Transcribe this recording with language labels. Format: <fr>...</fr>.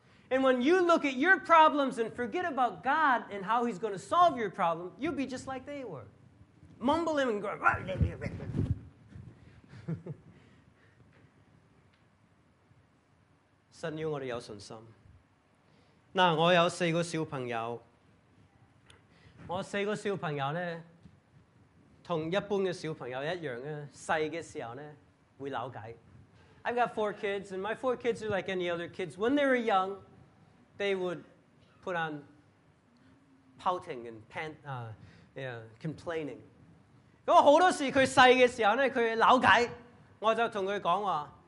<en>And when you look at your problems and forget about God and how he's going to solve your problem, you'll be just like they were. Mumble him and go,</en> <zh>神要我们有信心。我有四个小朋友, 我四个小朋友呢,同一般的小朋友一样,小的时候呢,会吵架。</zh> <en>I've got four kids, and my four kids are like any other kids. When they were young, they would put on pouting and complaining.</en> <zh>很多时候他小的时候呢,他吵架,我就跟他说,</zh>